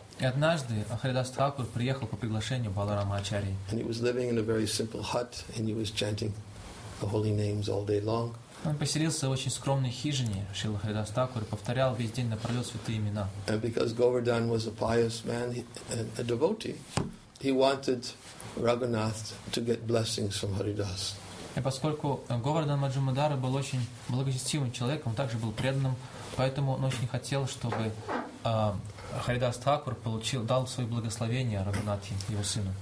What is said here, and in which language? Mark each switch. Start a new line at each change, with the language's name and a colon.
Russian: И однажды Харидас Тхакур приехал по приглашению Баларама Ачарьи.
English: And he was living in a very simple hut, and he was chanting the holy names all day long.
Russian: Он поселился в очень скромной хижине, Шрила Харидас Тхакур, повторял весь день напролет святые имена.
English: And because Govardhan was a pious man and a devotee, he wanted Raghunath to get blessings from Haridas.
Russian: И поскольку Говардан Маджумадара был очень благочестивым человеком, он также был преданным, поэтому он очень хотел, чтобы Харидас Тхакур дал свое благословение Рагунатхе, его сыну.